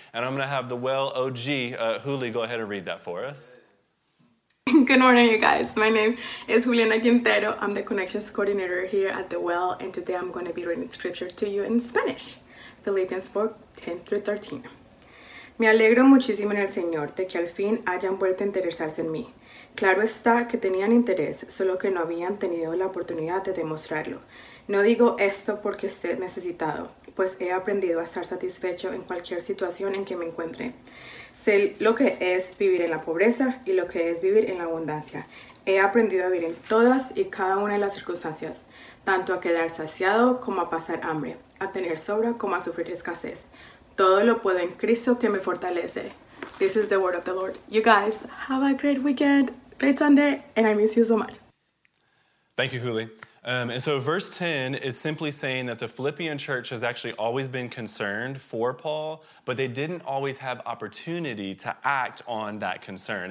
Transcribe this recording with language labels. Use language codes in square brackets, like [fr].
[en] And I'm going to have the well OG, Huli, go ahead and read that for us. Good morning, you guys. My name is Juliana Quintero. I'm the Connections Coordinator here at The Well, and today I'm going to be reading scripture to you in Spanish, Philippians 4, 10 through 13. [es] Me alegro muchísimo en el Señor de que al fin hayan vuelto a interesarse en mí. Claro está que tenían interés, solo que no habían tenido la oportunidad de demostrarlo. No digo esto porque esté necesitado, pues he aprendido a estar satisfecho en cualquier situación en que me encuentre. Sé lo que es vivir en la pobreza y lo que es vivir en la abundancia. He aprendido a vivir en todas y cada una de las circunstancias, tanto a quedar saciado como a pasar hambre, a tener sobra como a sufrir escasez. Todo lo puedo en Cristo que me fortalece. [en] This is the word of the Lord. You guys, have a great weekend, great Sunday, and I miss you so much. Thank you, Huli. And so verse 10 is simply saying that the Philippian church has actually always been concerned for Paul, but they didn't always have opportunity to act on that concern.